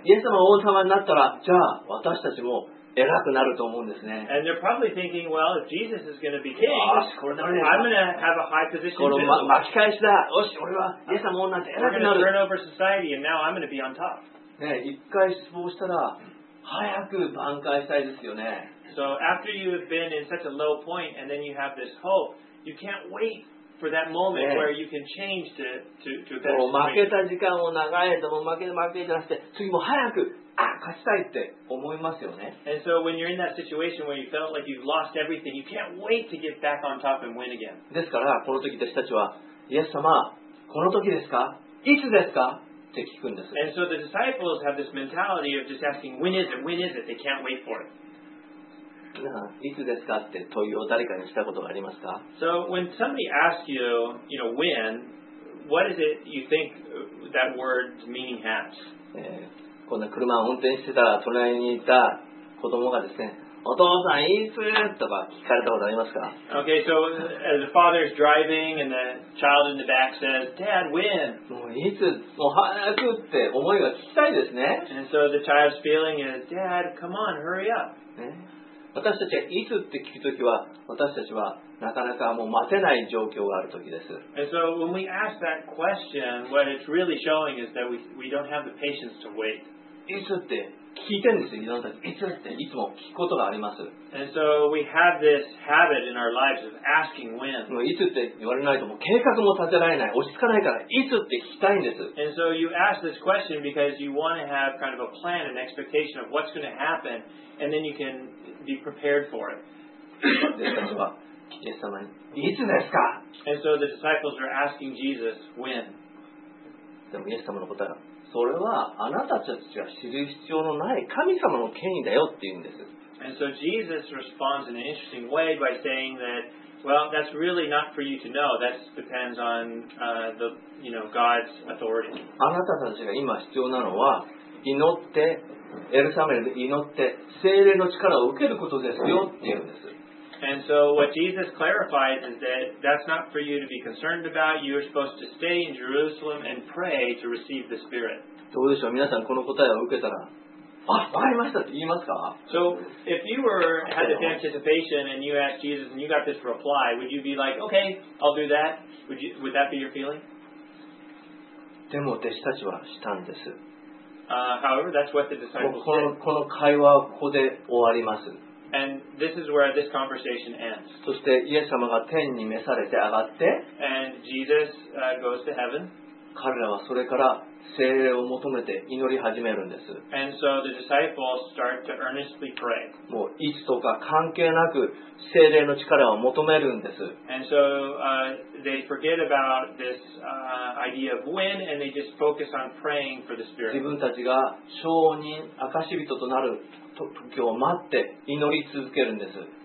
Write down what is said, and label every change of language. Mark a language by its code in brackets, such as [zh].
[ja] が王様になったらじゃあ私たちも偉くなると思うんですね。 [en] And they're probably thinking, well, if Jesus is going to be king, I'm going to have a high position. [ja] これ巻き返しだ。よし、俺はイエス様なんて偉くなる。 [en] We're going to turn over society, and now I'm going to be on top. [ja] ね、一回失望したら早く挽回したいですよね。 [en] So after you have been in such a low point, and then you have this hope, you can't wait for that moment where you can change to a better state. [ja] 負けた時間を長いでも負けじゃなくて、次も早く。勝ちたいって思いますよね。 [en] And so when you're in that situation where you felt like you've lost everything, you can't wait to get back on top and win again. [ja] ですからこの時弟子たちはイエス様、この時ですか？いつですか？って聞くんです。 [en] And so the disciples have this mentality of just asking, when is it? They can't wait for it. [ja] いつですかって問いを誰かにしたことがありますか？ [en] So when somebody asks you, you know, when, what is it you think that word's meaning has? [ja] こんな車を運転してたら隣にいた子供がですね、お父さんいつとか聞かれたことありますか？ [en] Okay, so as the father is driving and the child in the back says, Dad, when? [ja] もういつ、もう早くって思いが聞きたいですね。 [en] And so the child's feeling is, Dad, come on, hurry up.、 [ja] ね、私たちがいつって聞くときは、私たちはなかなかもう待てない状況があるときです。 [en] And so when we ask that question, what it's really showing is that we don't have the patience to wait. [ja] いつって聞いてんですよ、いろんな時。いつっていつも聞くことがあります。 [en] And so we have this habit in our lives of asking when. [ja] もういつって言われないともう計画も立てられない、落ち着かないからいつって聞きたいんです。 [en] And so you ask this question because you want to have kind of a plan, an expectation of what's going to happen, and then you can be prepared for it. [ja] ですから。イエス様にいつですか？ [en] And so the disciples are asking Jesus when. [ja] でもイエス様の答えは、それはあなたたちが知る必要のない神様の権威だよって言うんです。 [en] And so Jesus responds in an interesting way by saying that, well, that's really not for you to know. That depends on the, you know, God's authority. [ja] あなたたちが今必要なのは祈ってエルサレムで祈って聖霊の力を受けることですよって言うんです。 [en] And so what Jesus clarifies is that that's not for you to be concerned about. You're supposed to stay in Jerusalem and pray to receive the Spirit. [ja] どうでしょう、皆さんこの答えを受けたら、あ、わかりましたって言いますか？ [en] So if you were had this anticipation and you asked Jesus and you got this reply, would you be like, okay, I'll do that? Would that be your feeling? [ja] でも弟子たちはしたんです。 [en] However, that's what the disciples said. [ja] この会話はここで終わります。 [en] And this is where this conversation ends. [ja] そしてイエス様が天に召されて上がって、 [en] And Jesus goes to heaven. [ja] 彼らはそれから聖霊を求めて祈り始めるんです。 [en] And so the disciples start to earnestly pray. [ja] もういつとか関係なく聖霊の力を求めるんです。 [en] And so they forget about this idea of when, and they just focus on praying for the Spirit. [ja] 自分たちが証人、証人となる。時を待って祈り続けるんです。